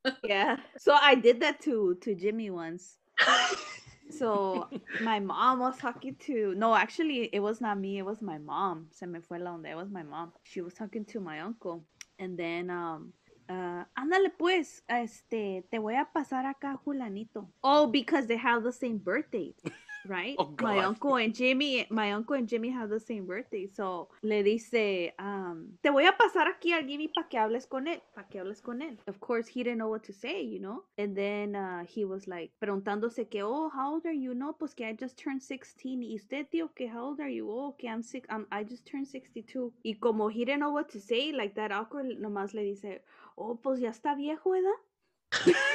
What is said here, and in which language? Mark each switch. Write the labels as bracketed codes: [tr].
[en] Yeah. So I did that to Jimmy once. So my mom was talking to, no, actually it was not me. It was my mom. [es] Se me fue la onda. [en] It was my mom. She was talking to my uncle. And then, [es] ándale pues, te voy a pasar acá Julanito. [en] Oh, because they have the same birthday, right? Oh, my uncle and Jimmy have the same birthday. [es] So le dice, te voy a pasar aquí al Jimmy para que hables con él, para que hables con él. [en] Of course, he didn't know what to say, you know? And then he was like, [es] preguntándose que, [en] oh, how old are you? [es] No, pues que [en] I just turned 16. [es] ¿Y usted, tío, que [en] how old are you? Oh, [es] que [en] I'm sick. I just turned 62. [es] Y como [en] he didn't know what to say, like that awkward, [es] nomás le dice, oh, pues ya está viejo, ¿verdad?